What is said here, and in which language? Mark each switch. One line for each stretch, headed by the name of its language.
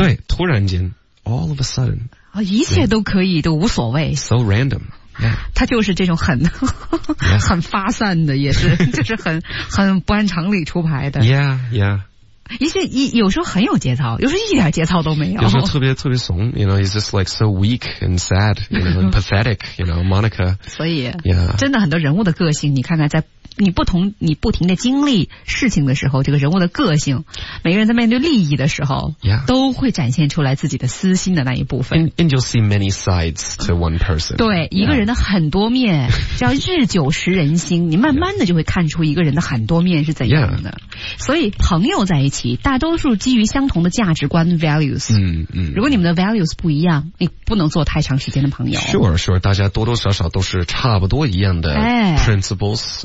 Chinese: 对，突然间 ，
English: all of a sudden，
Chinese: 啊，一切都可以，都无所谓。
English: So random，、yeah.
Chinese: 他就是这种很、
English: yeah.
Chinese: 很发散的，也是就是很不按常理出牌的。
English: Yeah, yeah。
Chinese: 一些有时候很有节操，有时候一点节操都没有。有时候特别怂
English: ，you know, he's just like so weak and sad, you know, and pathetic, you know, Monica。
Chinese: 所以，
English: yeah.
Chinese: 真的很多人物的个性，你看看在。你不停的经历事情的时候，这个人物的个性，每个人在面对利益的时候，
English: yeah.
Chinese: 都会展现出来自己的私心的那一部分。
English: And you'll see many sides to one person.
Chinese: 对、yeah. 一个人的很多面，叫日久识人心，你慢慢的就会看出一个人的很多面是怎样的。
English: Yeah.
Chinese: 所以朋友在一起，大多数基于相同的价值观 values。嗯嗯。如果你们的 values 不一样，你不能做太长时间的朋友。 Sure, 大家多多少少都是差不多一样的 principles、